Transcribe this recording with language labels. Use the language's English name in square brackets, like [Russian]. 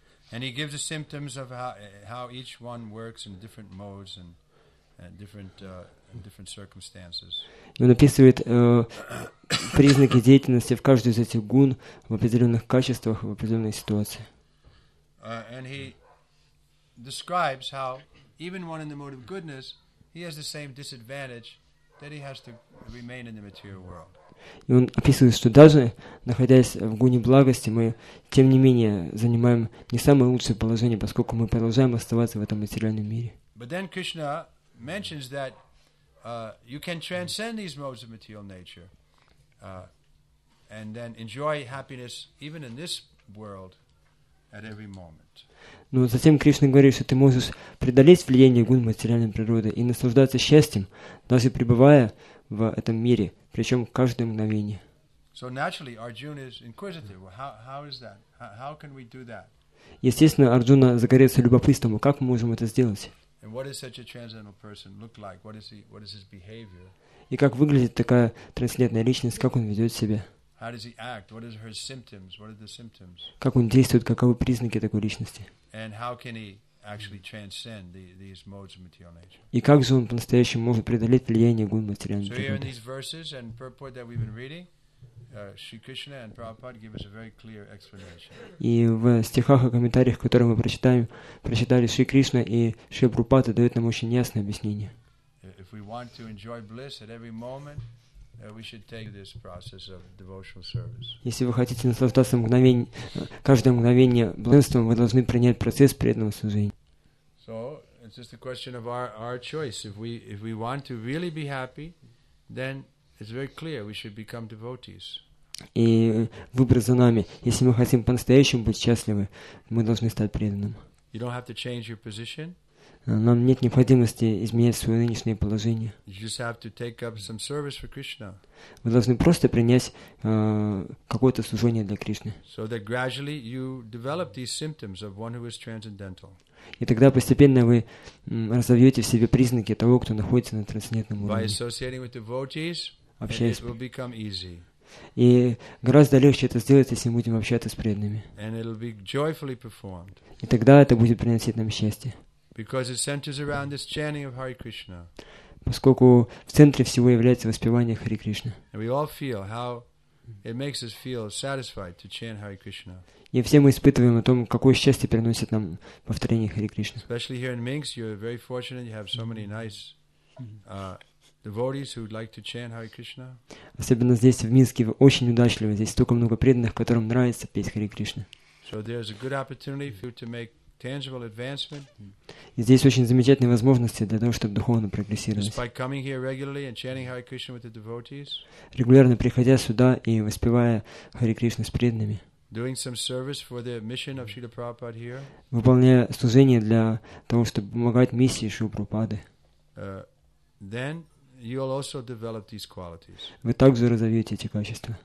[English] And he gives the symptoms of how each one works in different modes and different circumstances. [Russian] Он описывает признаки деятельности в каждой из этих гун в определенных качествах в определенной ситуации. [English] And he describes how even one in the mode of goodness, he has the same disadvantage that he has to remain in the material world. [Russian] И он описывает, что даже находясь в гуне благости, мы тем не менее занимаем не самое лучшее положение, поскольку мы продолжаем оставаться в этом материальном мире. [English] But then Krishna mentions that you can transcend these modes of material nature and then enjoy happiness even in this world at every moment. [Russian] Но затем Кришна говорит, что ты можешь преодолеть влияние гун материальной природы и наслаждаться счастьем, даже пребывая в этом мире, причем каждое мгновение. [English] So naturally, Arjuna is inquisitive. How is that? How can we do that? [Russian] Естественно, Арджуна загорелся любопытством, как мы можем это сделать? [English] And what does such a transcendental person look like? What is his behavior? [Russian] И как выглядит такая трансцендентная личность? Как он ведет себя? [English] How does he act? What are her symptoms? What are the symptoms? [Russian] Как он действует? Каковы признаки такой личности? [English] And how can he actually transcend these modes of material nature? [Russian] И как же он по-настоящему может преодолеть влияние гун материальной природы? [English] So here in these verses and purport that we've been reading, Shri Krishna and Prabhupada give us a very clear explanation. [Russian] И в стихах и комментариях, которые мы прочитали, Шри Кришна и Шри Прабхупада дают нам очень ясное объяснение. [English] If we want to enjoy bliss at every moment, we should take this process of devotional service. [Russian] Если вы хотите наслаждаться каждое мгновение блаженством, вы должны принять процесс преданного служения. [English] So it's just a question of our choice. If we want to really be happy, then it's very clear we should become devotees. [Russian] И выбор за нами. Если мы хотим по-настоящему быть счастливы, мы должны стать преданным. [English] You don't have to change your position. [Russian] Нам нет необходимости изменять свое нынешнее положение. [English] You just have to take up some service for Krishna. [Russian] Вы должны просто принять какое-то служение для Кришны. [English] So that gradually you develop these symptoms of one who is transcendental. [Russian] И тогда постепенно вы разовьете в себе признаки того, кто находится на трансцендентном уровне. [English] By associating with devotees, it will become easy. [Russian] И гораздо легче это сделать, если мы будем общаться с преданными. [English] And it'll be joyfully performed. [Russian] И тогда это будет приносить нам счастье. [English] Because it centers around this chanting of Hare Krishna. [Russian] Поскольку в центре всего является воспевание Хари Кришны. [English] And we all feel how it makes us feel satisfied to chant Hare Krishna. [Russian] И все мы испытываем о том, какое счастье приносит нам повторение Хари Кришны. [English] Especially here in Minsk, you're very fortunate. You have so many nice devotees who would like to chant Hare Krishna. [Russian] Особенно здесь в Минске вы очень удачливы. Здесь столько много преданных, которым нравится петь Хари Кришна. [English] So there's a good opportunity for you to make tangible advancement. [Russian] И здесь очень замечательные возможности для того, чтобы духовно прогрессировать. [English] By coming here regularly and chanting Hare Krishna with the devotees. [Russian] Регулярно приходя сюда и воспевая Хари Кришну с преданными. [English] Doing some service for the mission of Srila Prabhupada here. [Russian] Выполняя служение для того, чтобы помогать миссии Шрилы Прабхупады. [English] Then you'll also develop these qualities. [Russian] Вы также разовьете эти качества.